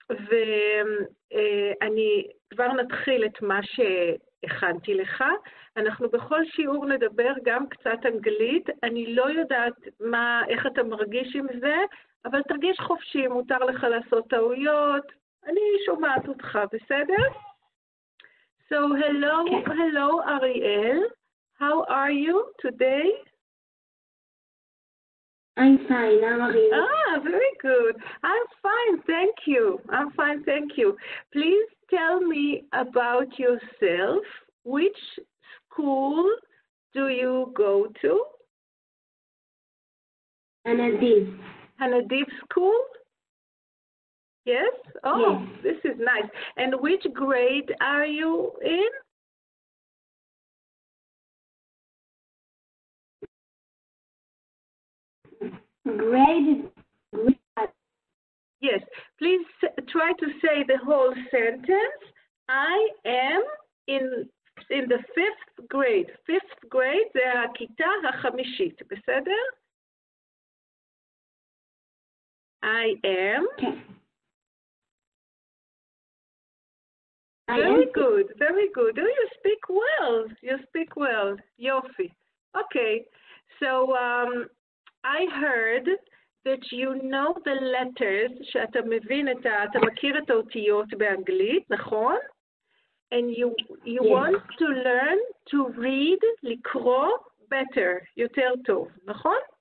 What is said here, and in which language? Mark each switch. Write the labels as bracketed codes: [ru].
[he] ואני כבר נתחיל את מה שהכנתי לך. אנחנו בכל שיעור נדבר גם קצת אנגלית. אני לא יודעת מה, איך אתה מרגיש עם זה, אבל תרגיש חופשי, מותר לך לעשות טעויות. אני שומעת אותך, בסדר? [en] So hello, hello אריאל. How are you today? I'm fine, how are you? Ah, very good. I'm fine, thank you. I'm fine, thank you. Please tell me about yourself. Which school do you go to? Hanadib. Hanadib school? Yes? Oh, yes. This is nice. And which grade are you in? Grade. Yes, please try to say the whole sentence. I am in the fifth grade. Fifth grade, [he] זה הכיתה החמישית, בסדר? [en] I am. Okay. Very good, very good. Do you speak well? You speak well. Yofi. Okay, so I heard that you know the letters, [he] שאתה מבין את ה, אתה מכיר את האותיות באנגלית, נכון? [en] And you yes. want to learn to read, [he] לקרוא [en] better, [he] יותר טוב, נכון?